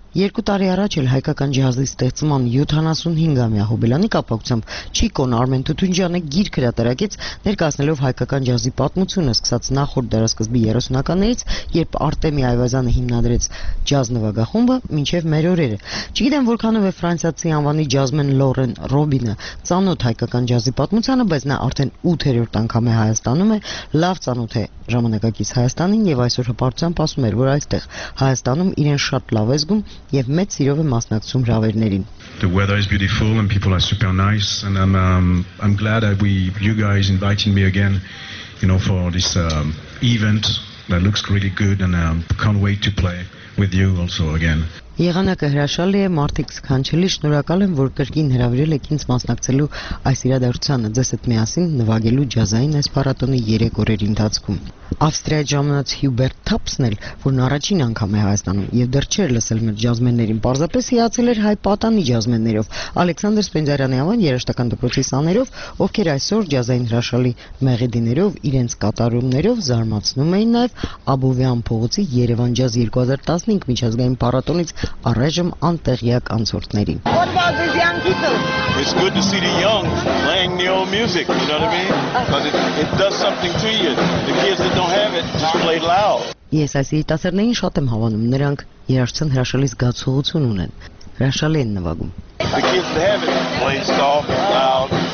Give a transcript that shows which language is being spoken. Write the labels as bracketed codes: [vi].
[hy] 2 տարի առաջ էլ հայկական ջազի ստեղծման 75-ամյա հոբելյանի կապակցությամբ Չիկոն Արմեն Թութունջյանը գիրք հրատարակեց, ներկայացնելով հայկական ջազի պատմությունը սկսած նախորդ դարասկզբի 30-ականներից, երբ Արտեմի Այվազյանը հիմնադրեց ջազ նվագախումբը, մինչև մեր օրերը։ Չգիտեմ, որքանով է ֆրանսիացի անվանի ջազմեն Լորեն Ռոբինը ծանոթ հայկական ջազի պատմությանը, բայց նա արդեն 8-րդ անգամ է Հայաստանում, լավ ծանոթ է ժամանակակից Հայաստանին եւ այսօր հպարտությամբ ասում է, որ այստեղ Հայաստանում իրեն շատ լավ է զգում եւ մեծ սիրով է մասնակցում հավերներին։ [en] The weather is beautiful and people are super nice and I'm glad that you guys inviting me again, you know, for this event that looks really good and can't wait to play with you also again. [hy] Եղանակը հրաշալի է, մարդիկ սքանչելի, շնորհակալ եմ, որ կրկին հրավիրել եք ինձ մասնակցելու այս իրադարձությանը, ձեզ հետ միասին նվագելու ջազային այս փառատոնի 3 օրերի ընթացքում։ Ավստրիայից ժամանած Հյուբերտ Թապսն էլ, որն առաջին անգամ է Հայաստանում եւ դեռ չէր լսել մեր ջազմեններին, պարզապես հիացել էր հայ պատանի ջազմեններով, Ալեքսանդր Սպենդիարյանի անվան երաժշտական դպրոցի սաներով, ովքեր այսօր ջազային հրաշալի մեղեդիներով իրենց կատարումներով զարմացնում էին նաեւ Աբովյան փողոցի Երևան Ջազ 2015 միջազգային փառատոնից առայժմ անտեղյակ անցորդների։ [en] It's good to see the young playing the old music, you know what I mean? Because it does something to you. The kids that don't have it just play loud. [hy] Ես այս երիտասարդներին շատ եմ հավանում, նրանք երաժշտության հրաշալի զգացողություն ունեն, հրաշալի են նվագում։ [en] The kids that have it play soft and loud.